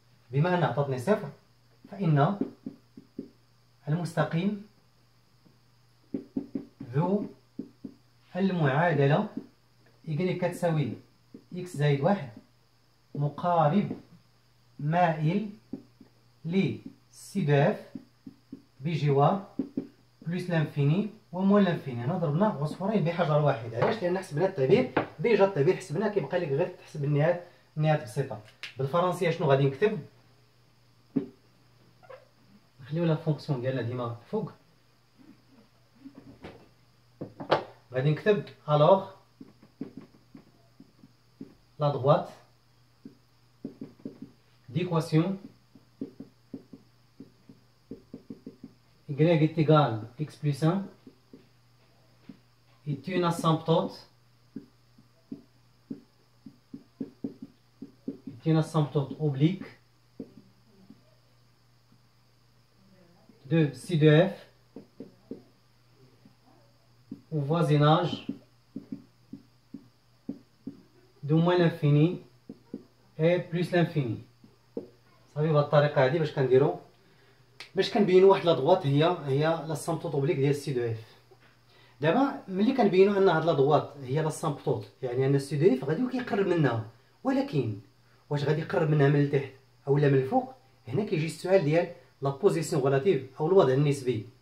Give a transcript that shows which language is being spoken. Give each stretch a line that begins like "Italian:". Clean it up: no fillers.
Arabic: بما ان عطاتني صفر فان المستقيم ذو المعادله يكريك كتساوي اكس زائد واحد مقارب مائل لسي دو اف بجوار
French: بلوس لانفيني وموان لانفيني.
Arabic: هنا ضربنا عصفورين بحجر واحد. علاش؟ لان حسبنا التعبير، ديجا التعبير حسبناه، كيبقى لك غير تحسب النهايات بسيطه. بالفرنسيه شنو غادي نكتب؟ نخليو لا فونكسيون ديالنا ديما فوق. غادي نكتب الوغ
French: la droite d'équation y est égal x plus 1 est une asymptote. Est une asymptote oblique de ci de f au voisinage de moins l'infini et plus l'infini.
Arabic: صافي بهاد الطريقة هادي باش كنديرو باش كنبينو واحد
French: لا دووات هي لا سامبتوت اوبليك
Arabic: ديال سي دو اف. دابا ملي كنبينو ان هاد لا دووات هي لا سامبتوت يعني ان سي دو اف غادي كيقرب منها، ولكن واش غادي يقرب منها من التحت او لا من الفوق؟ هنا كيجي السؤال ديال لا بوزيسيون غولاتيف او الوضع النسبي.